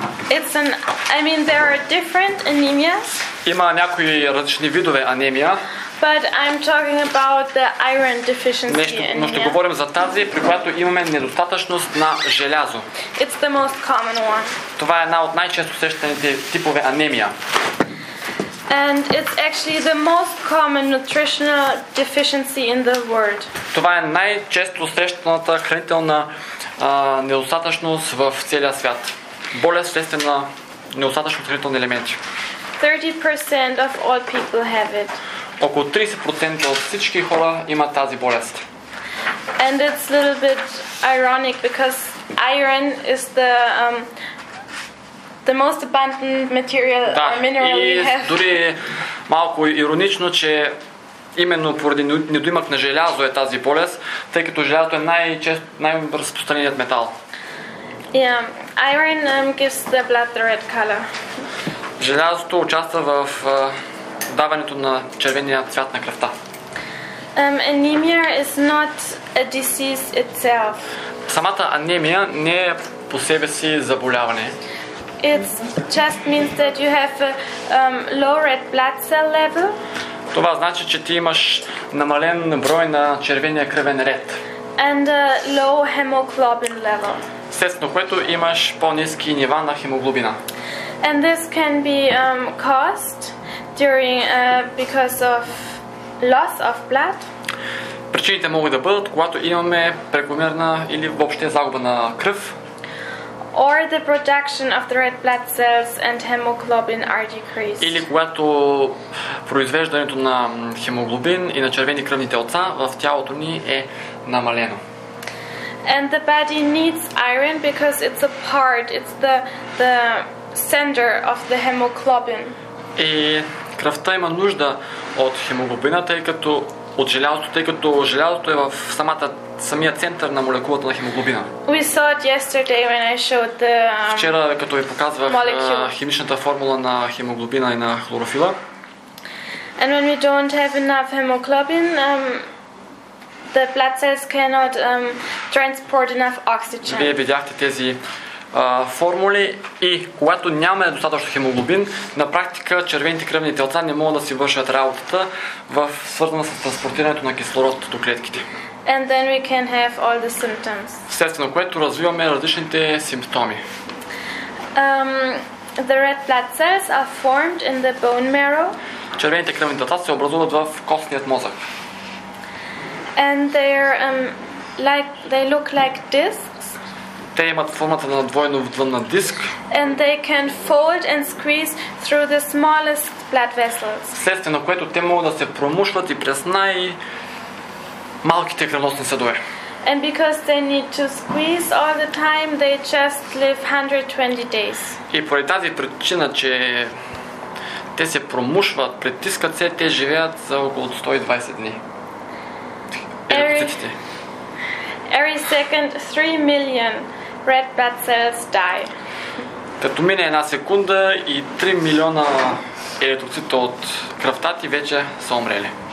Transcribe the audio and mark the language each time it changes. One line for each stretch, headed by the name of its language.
English: It's an, I mean, there are different anemias.
Bulgarian: Има някои различни видове анемия.
English: But I'm talking about the iron deficiency.
Bulgarian: Но ще говорим за тази, при която имаме недостатъчност на желязо.
English: It's the most common one.
Bulgarian: Това е една от най-често срещаните типове анемия.
English: And it's actually the most common nutritional deficiency in the world.
Bulgarian: Това е най-често срещаната хранителна недостатъчност в целия свят. Болест вследствие на недостатъчно хранителни елементи.
English: 30% of all people have it.
Bulgarian: Около 30% от всички хора имат тази болест.
English: And it's a little bit ironic because iron is the the most abundant material
Bulgarian: да,
English: or mineral we have.
Bulgarian: Да, и дори малко иронично, че именно поради недоимък на желязо е тази болест, тъй като желязото е най-разпространеният метал.
English: Yeah, iron gives the blood the red color.
Bulgarian: Желязото участва в даването на червения цвят на кръвта.
English: Anemia is not a disease itself.
Bulgarian: Самата анемия не е по себе си заболяване.
English: It just means that you have a low red blood cell level.
Bulgarian: Това значи, че ти имаш намален брой на червения кръвен ред.
English: And a low hemoglobin level.
Bulgarian: Следствено, което имаш по-ниски нива на хемоглобина.
English: And this can be caused during because of loss of blood.
Bulgarian: Причините могат да бъдат, когато имаме прекомерна или въобще загуба на кръв.
English: Or the production of the red blood cells and hemoglobin are decreased.
Bulgarian: Или когато произвеждането на хемоглобин и на червени кръвни телца в тялото ни е намалено.
English: And the body needs iron because it's a part, it's the center of the hemoglobin.
Bulgarian: И кръвта има нужда от хемоглобина, тъй като от желязото, тъй като желязото е в самия център на молекулата на хемоглобина.
English: We saw it yesterday when I showed the
Bulgarian: вчера като ви показвах химичната формула на хемоглобина и на хлорофила.
English: And when we don't have enough hemoglobin, the blood cells cannot transport enough oxygen.
Bulgarian: Вие видяхте тези формули и когато нямаме достатъчно хемоглобин, на практика червените кръвни телца не могат да си вършат работата в свързана с транспортирането на кислород до клетките.
English: And then we can have all the symptoms.
Bulgarian: Вследствие на което развиваме различните симптоми.
English: The red blood cells are formed in the bone marrow.
Bulgarian: Червените кръвни телца се образуват в костният мозък.
English: And they're they look like discs.
Bulgarian: Те имат формата на двойно вдълна диск.
English: And they can fold and squeeze through the smallest blood vessels.
Bulgarian: Вследствие на което те могат да се промушват и през най-малките кръвоносни съдове.
English: And because they need to squeeze all the time, they just live 120 days.
Bulgarian: И поради тази причина, че те се промушват, притискат се, те живеят за около 120 дни. Ерицитите.
English: Every second, 3 million red blood cells die.
Bulgarian: Като мине една секунда и 3 милиона еритроцита от кръвта ти вече са умрели.